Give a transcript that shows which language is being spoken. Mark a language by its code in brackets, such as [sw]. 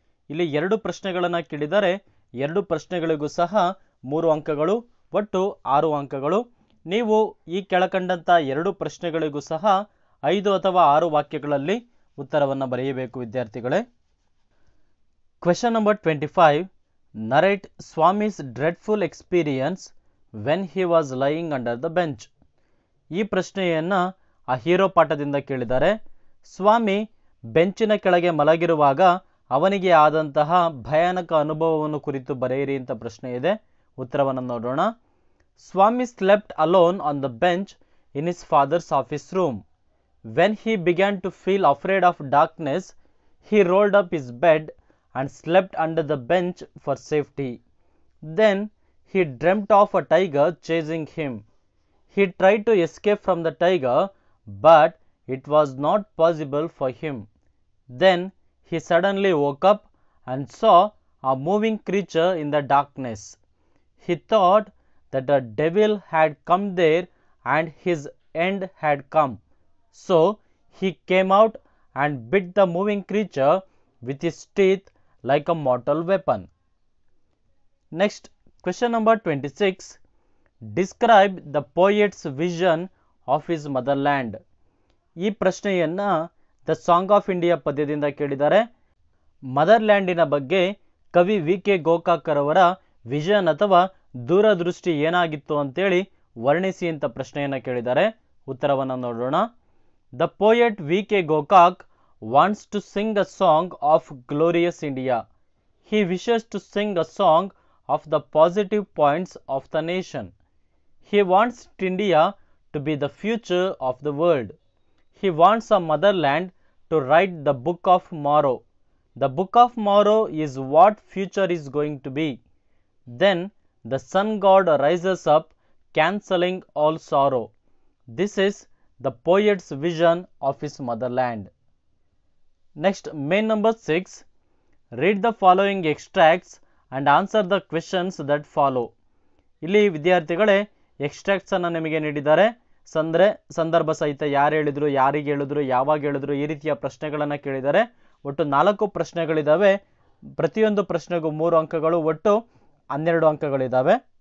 [kn] ಇಲ್ಲಿ ಎರಡು ಪ್ರಶ್ನೆಗಳನ್ನು ಕೇಳಿದರೆ ಎರಡು ಪ್ರಶ್ನೆಗಳಿಗೂ ಸಹ ಮೂರು ಅಂಕಗಳು, ಒಟ್ಟು ಆರು ಅಂಕಗಳು. ನೀವು ಈ ಕೆಳಕಂಡಂಥ ಎರಡು ಪ್ರಶ್ನೆಗಳಿಗೂ ಸಹ 5 ಅಥವಾ 6 ವಾಕ್ಯಗಳಲ್ಲಿ ಉತ್ತರವನ್ನು ಬರೆಯಬೇಕು ವಿದ್ಯಾರ್ಥಿಗಳೇ. [en] Question number 25. Narrate Swami's dreadful experience when he was lying under the bench. [kn] ಈ ಪ್ರಶ್ನೆಯನ್ನು ಆ ಹೀರೋ ಪಾಠದಿಂದ ಕೇಳಿದ್ದಾರೆ. ಸ್ವಾಮಿ ಬೆಂಚಿನ ಕೆಳಗೆ ಮಲಗಿರುವಾಗ ಅವನಿಗೆ ಆದಂತಹ ಭಯಾನಕ ಅನುಭವವನ್ನು ಕುರಿತು ಬರೆಯಿರಿ ಅಂತ ಪ್ರಶ್ನೆ ಇದೆ. ಉತ್ತರವನ್ನು ನೋಡೋಣ. [en] Swami slept alone on the bench in his father's office room. When he began to feel afraid of darkness, he rolled up his bed and slept under the bench for safety. Then he dreamt of a tiger chasing him. He tried to escape from the tiger, but it was not possible for him. Then he suddenly woke up and saw a moving creature in the darkness. He thought that a devil had come there and his end had come. So he came out and bit the moving creature with his teeth like a mortal weapon. Next, question number 26. Describe the poet's vision of his motherland. [kn] ಈ ಪ್ರಶ್ನೆಯನ್ನು the song of India ಪದ್ಯದಿಂದ ಕೇಳಿದ್ದಾರೆ. ಮದರ್ಲ್ಯಾಂಡಿನ ಬಗ್ಗೆ ಕವಿ V K ಗೋಕಾಕರವರ vision ಅಥವಾ ದೂರದೃಷ್ಟಿ ಏನಾಗಿತ್ತು ಅಂತೇಳಿ ವರ್ಣಿಸಿ ಅಂತ ಪ್ರಶ್ನೆಯನ್ನು ಕೇಳಿದ್ದಾರೆ. ಉತ್ತರವನ್ನು ನೋಡೋಣ. [en] The poet V K Gokak wants to sing a song of glorious India. He wishes to sing a song of the positive points of the nation. He wants India to be the future of the world. He wants a motherland to write the book of tomorrow. The book of tomorrow is what future is going to be. Then the sun god rises up, cancelling all sorrow. This is the poet's vision of his motherland. Next, main number 6. Read the following extracts and answer the questions that follow. [kn] ಇಲ್ಲಿ ವಿದ್ಯಾರ್ಥಿಗಳೇ ಎಕ್ಸ್ಟ್ರಾಕ್ಟ್ಸನ್ನು ನಿಮಗೆ ನೀಡಿದ್ದಾರೆ. ಸಂದರೆ ಸಂದರ್ಭ ಸಹಿತ ಯಾರು ಹೇಳಿದ್ರು, ಯಾರಿಗೆ ಹೇಳಿದ್ರು, ಯಾವಾಗ ಹೇಳಿದ್ರು, ಈ ರೀತಿಯ ಪ್ರಶ್ನೆಗಳನ್ನು ಕೇಳಿದ್ದಾರೆ. ಒಟ್ಟು 4 ಪ್ರಶ್ನೆಗಳಿದ್ದಾವೆ. ಪ್ರತಿಯೊಂದು ಪ್ರಶ್ನೆಗೂ 3 ಅಂಕಗಳು, ಒಟ್ಟು 12 ಅಂಕಗಳಿದ್ದಾವೆ.